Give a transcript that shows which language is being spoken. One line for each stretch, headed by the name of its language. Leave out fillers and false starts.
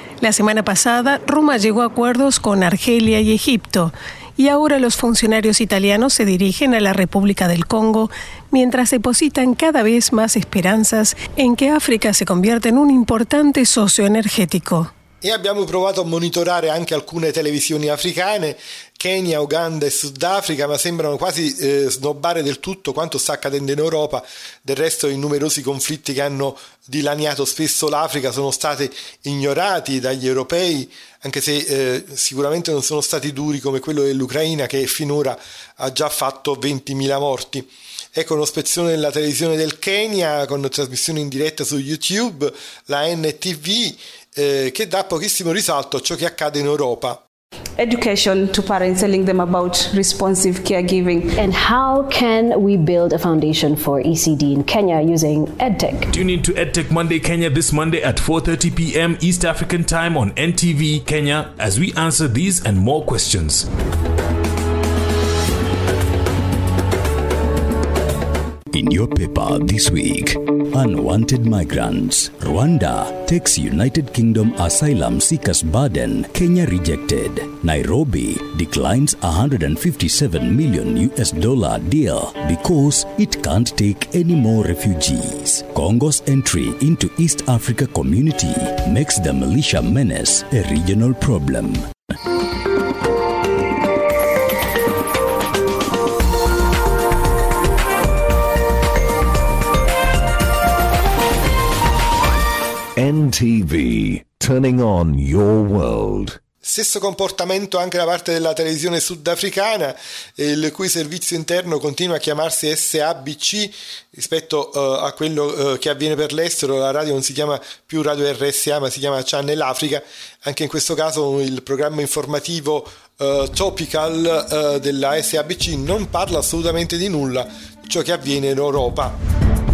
Spanish: La semana pasada, Roma llegó a acuerdos con Argelia y Egipto, y ahora los funcionarios italianos se dirigen a la República del Congo, mientras depositan cada vez más esperanzas en que África se convierta en un importante socio energético.
Italian: E abbiamo provato a monitorare anche alcune televisioni africane, Kenya, Uganda e Sudafrica, ma sembrano quasi snobbare del tutto quanto sta accadendo in Europa. Del resto, i numerosi conflitti che hanno dilaniato spesso l'Africa sono stati ignorati dagli europei, anche se sicuramente non sono stati duri come quello dell'Ucraina, che finora ha già fatto 20.000 morti. Ecco uno spezzone della televisione del Kenya, con trasmissione in diretta su YouTube, la NTV, che dà pochissimo risalto a ciò che accade in Europa.
English: Education to parents, telling them about responsive caregiving. And how can we build a foundation for ECD in Kenya using EdTech? Tune into EdTech Monday Kenya this Monday at 4:30 p.m. East African time on NTV Kenya as we answer these and more questions. In your paper this week, unwanted migrants. Rwanda takes United Kingdom asylum seekers burden, Kenya rejected. Nairobi declines $157 million deal because it can't take any more refugees. Congo's entry into East Africa community makes the militia menace a regional problem. NTV, turning on your world.
Italian: Stesso comportamento anche da parte della televisione sudafricana, il cui servizio interno continua a chiamarsi SABC rispetto a quello che avviene per l'estero. La radio non si chiama più Radio RSA, ma si chiama Channel Africa. Anche in questo caso il programma informativo topical della SABC non parla assolutamente di nulla di ciò che avviene in Europa.